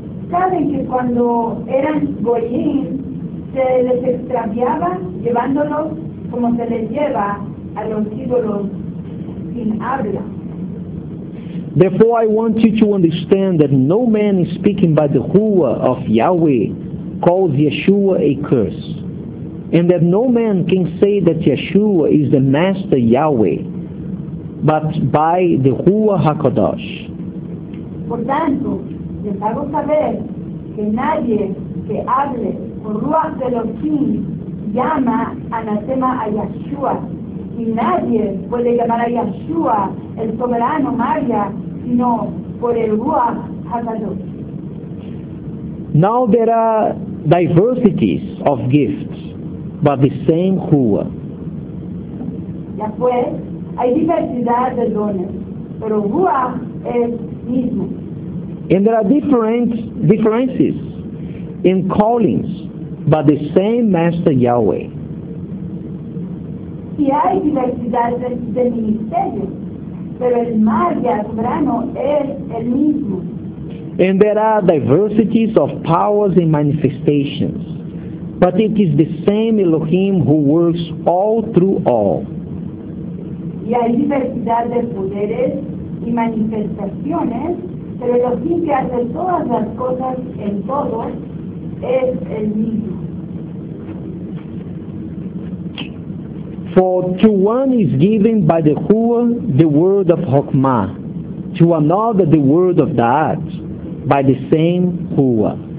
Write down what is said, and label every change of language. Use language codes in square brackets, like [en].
[es] Saben que cuando eran goyim se les extraviaba llevándolos como se les lleva a los ídolos sin habla. [en] Therefore I want you to understand that no man is speaking by the Ruah of Yahweh calls Yeshua a curse, and that no man can say that Yeshua is the Master Yahweh but by the Ruah HaKadosh. [es] Por tanto, les hago saber que nadie que hable con Ruach de los Elohim llama anatema a Yeshua, y nadie puede llamar a Yeshua el soberano Maya sino por el Ruach HaKadosh. [en] Now there are diversities of gifts, but the same Ruach. [es] Ya pues, hay diversidad de dones, pero Ruach es mismo. [en] And there are differences in callings, but the same Master Yahweh. [es] Y hay diversidad de ministerios, pero el Maya soberano es el mismo. [en] And there are diversities of powers and manifestations, but it is the same Elohim who works all through all. [es] Y hay diversidad de poderes y manifestaciones, pero el Elohim que hace todas las cosas en todo es el mismo. [en] For to one is given by the Ruah the word of Chokmah, to another the word of Da'at, by the same Ruah.